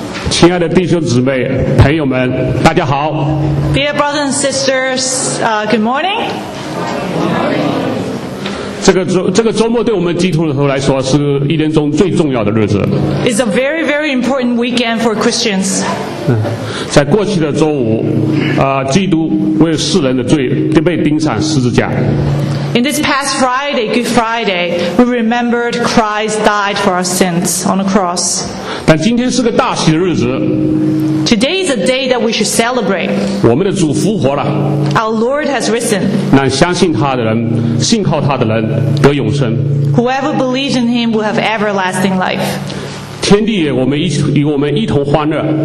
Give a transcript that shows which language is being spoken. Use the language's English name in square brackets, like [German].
[Chinese] 亲爱的弟兄姊妹朋友们大家好 [English] Dear brothers and sisters, good morning. [Chinese] 这个周末对我们基督徒来说是一年中最重要的日子 [English] It's a very, very important weekend for Christians. [Chinese] 在过去的周五、基督为世人的罪被钉上十字架 [English] In this past Friday, Good Friday, we remembered Christ died for our sins on a cross. [Chinese] 但今天是个大喜的日子。 [English] Today is a day that we should celebrate. [Chinese] 我们的主复活了。 [English] Our Lord has risen. [Chinese] 让相信他的人，信靠他的人得永生。 [English] Whoever believes in him will have everlasting life. [Chinese] 天地也与我们一同欢乐。